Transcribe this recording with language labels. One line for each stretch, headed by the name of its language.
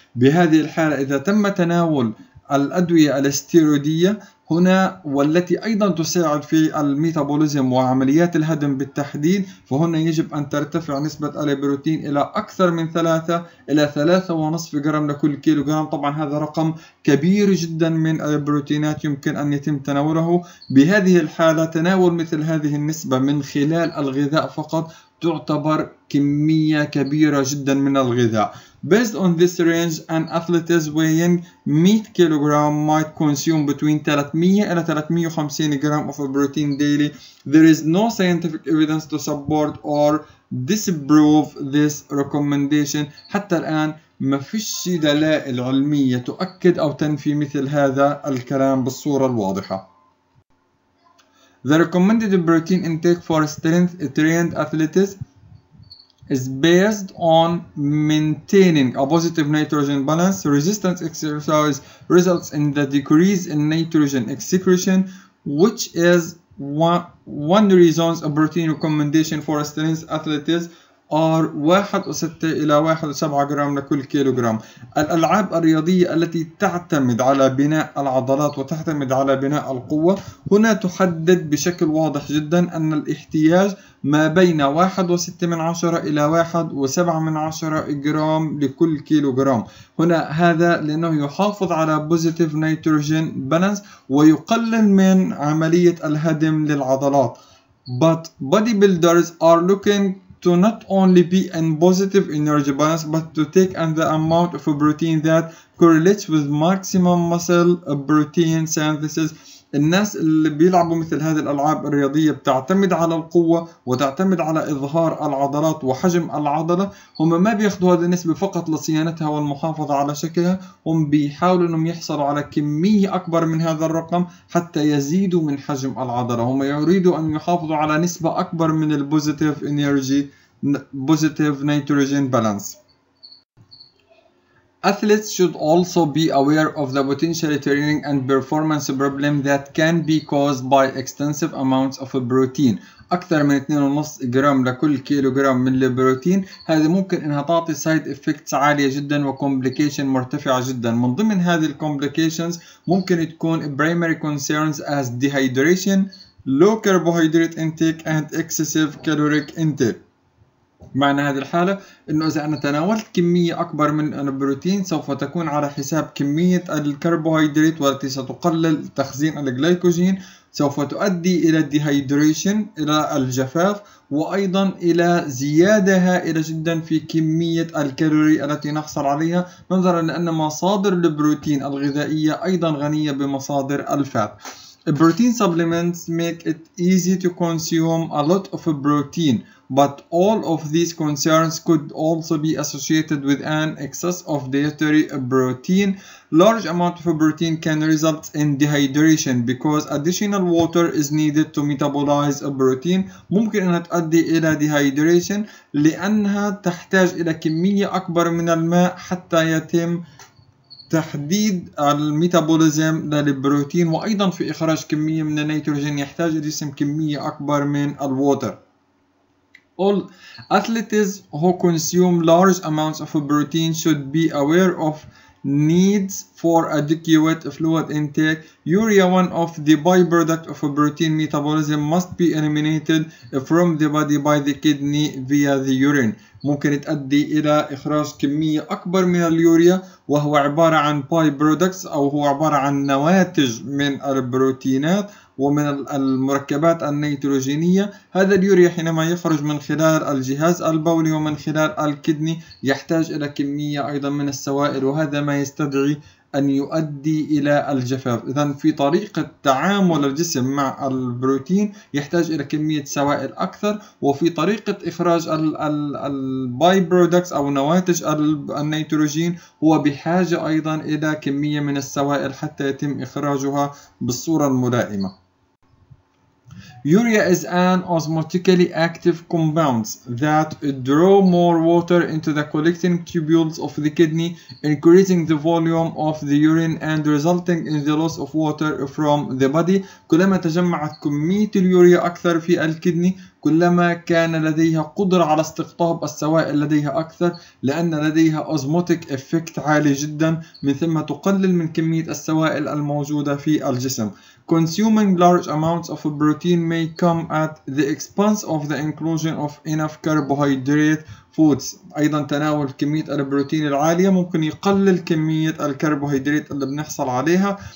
Arabic: بهذه الحالة إذا تم تناول الأدوية الاستيرويدية هنا والتي أيضا تساعد في الميتابوليزم وعمليات الهدم بالتحديد، فهنا يجب أن ترتفع نسبة البروتين إلى أكثر من 3 إلى 3.5 جرام لكل كيلو جرام. طبعا هذا رقم كبير جدا من البروتينات يمكن أن يتم تناوله. بهذه الحالة تناول مثل هذه النسبة من خلال الغذاء فقط تعتبر كمية كبيرة جدا من الغذاء.
English: Based on this range, an athlete weighing 100 kilogram might consume between 300
Arabic: إلى
English: 350 gram of protein daily. There is no scientific evidence to support or disprove this recommendation.
Arabic: حتى الآن ما فيش دلائل علمية تؤكد أو تنفي مثل هذا الكلام بالصورة الواضحة.
English: The recommended protein intake for strength trained athletes is based on maintaining a positive nitrogen balance. Resistance exercise results in the decrease in nitrogen excretion, which is one reason a protein recommendation for strength athletes are 1.6
Arabic: إلى 1.7 جرام لكل كيلوغرام. الألعاب الرياضية التي تعتمد على بناء العضلات وتعتمد على بناء القوة هنا تحدد بشكل واضح جدا أن الاحتياج ما بين 1.6 إلى 1.7 جرام لكل كيلوغرام. هنا هذا لأنه يحافظ على
English: positive nitrogen balance
Arabic: ويقلل من عملية الهدم للعضلات.
English: But bodybuilders are looking to not only be in positive energy balance but to take in the amount of protein that correlates with maximum muscle protein synthesis.
Arabic: الناس اللي بيلعبوا مثل هذه الألعاب الرياضية بتعتمد على القوة وتعتمد على إظهار العضلات وحجم العضلة، هم ما بياخذوا هذه النسبة فقط لصيانتها والمحافظة على شكلها، هم بيحاولوا أنهم يحصلوا على كمية أكبر من هذا الرقم حتى يزيدوا من حجم العضلة. هم يريدوا أن يحافظوا على نسبة أكبر من الـ
English: positive energy positive nitrogen balance. Athletes should also be aware of the potential training and performance problem that can be caused by extensive amounts of protein.
Arabic: أكثر من 2.5 جرام لكل كيلو جرام من البروتين هذا ممكن أنها تعطي
English: side effects
Arabic: عالية جدا وcomplication مرتفعة جدا. من ضمن هذه الcomplications ممكن تكون
English: primary concerns as dehydration, low carbohydrate intake and excessive caloric intake.
Arabic: معنى هذه الحالة أنه إذا أنا تناولت كمية أكبر من البروتين سوف تكون على حساب كمية الكربوهيدرات والتي ستقلل تخزين الجلايكوجين، سوف تؤدي إلى الديهايدريشن إلى الجفاف وأيضا إلى زيادة هائلة جدا في كمية الكالوري التي نحصل عليها، نظرا لأن مصادر البروتين الغذائية أيضا غنية بمصادر الفات.
English: Protein supplements make it easy to consume a lot of protein. But all of these concerns could also be associated with an excess of dietary protein. Large amount of protein can result in dehydration because additional water is needed to metabolize a protein.
Arabic: ممكن أنها تؤدي إلى dehydration لأنها تحتاج إلى كمية أكبر من الماء حتى يتم تحديد الميتابوليزم للبروتين، وأيضا في إخراج كمية من النيتروجين يحتاج الجسم كمية أكبر من الووتر.
English: All athletes who consume large amounts of protein should be aware of needs for adequate fluid intake. Urea, one of the byproduct of a protein metabolism, must be eliminated from the body by the kidney via the urine.
Arabic: ممكن تؤدي إلى إخراج كمية أكبر من اليوريا، وهو عبارة عن byproducts أو هو عبارة عن نواتج من البروتينات ومن المركبات النيتروجينية. هذا اليوريا حينما يخرج من خلال الجهاز البولي ومن خلال الكدني يحتاج إلى كمية أيضا من السوائل، وهذا ما يستدعي أن يؤدي إلى الجفاف. إذن في طريقة تعامل الجسم مع البروتين يحتاج إلى كمية سوائل أكثر، وفي طريقة إخراج الباي برودكتس أو نواتج النيتروجين هو بحاجة أيضا إلى كمية من السوائل حتى يتم إخراجها بالصورة الملائمة.
English: Urea is an osmotically active compound that draws more water into the collecting tubules of the kidney, increasing the volume of the urine and resulting in the loss of water from the body.
Arabic: كلما تجمعت كمية اليوريا أكثر في الكدني، كلما كان لديها قدرة على استقطاب السوائل لديها أكثر، لأن لديها
English: osmotic effect
Arabic: عالي جدا، من ثم تقلل من كمية السوائل الموجودة في الجسم.
English: Consuming large amounts of protein may come at the expense of the inclusion of enough carbohydrate foods.
Arabic: أيضا تناول كمية البروتين العالية ممكن يقلل كمية الكربوهيدرات اللي بنحصل عليها.